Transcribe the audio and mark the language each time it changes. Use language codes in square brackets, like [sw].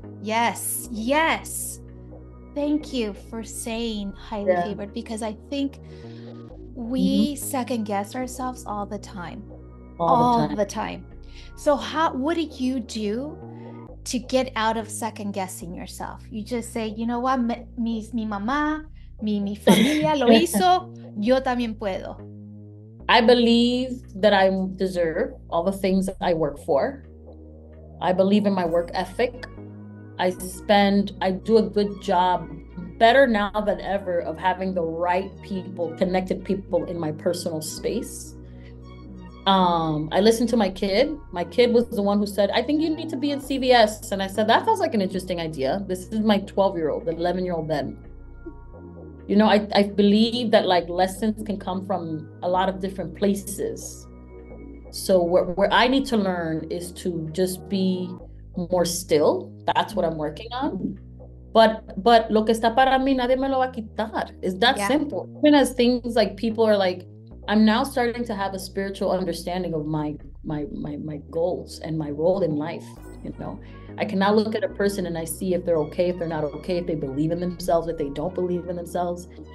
[en] Yes Thank you for saying highly favored, because I think we second guess ourselves all the time. All the time. So what do you do to get out of second guessing yourself? You just say, you know what, [es] mi mamá, mi familia lo hizo, yo también puedo. [en] I believe that I deserve all the things that I work for. I believe in my work ethic. I do a good job, better now than ever, of having the right people, connected people in my personal space. I listened to my kid. My kid was the one who said, I think you need to be in CVS. And I said, that sounds like an interesting idea. This is my 11-year-old then. You know, I believe that like lessons can come from a lot of different places. So where I need to learn is to just be more still. That's what I'm working on. [es] But lo que está para mí, nadie me lo va a quitar. [en] It's that simple. Even as things like people are like, I'm now starting to have a spiritual understanding of my goals and my role in life. You know, I can now look at a person and I see if they're okay, if they're not okay, if they believe in themselves, if they don't believe in themselves.